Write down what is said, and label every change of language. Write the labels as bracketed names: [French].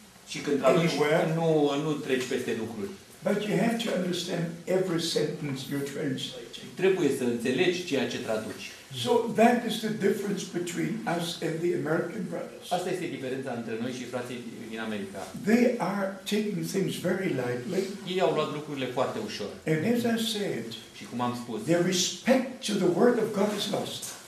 [Romanian] Și când traduci, nu treci peste lucruri. [English] But you have to understand every sentence you translate. [Romanian] Trebuie să înțelegi ceea ce traduci. [English] So that is the difference between us and the American brothers. [Romanian] Asta este diferența între noi și frații din America. [English] They are taking things very lightly. [Romanian] Ei au luat lucrurile foarte ușor. [English] And as I said, [Romanian] și cum am spus, [English] their respect to the word of God is lost.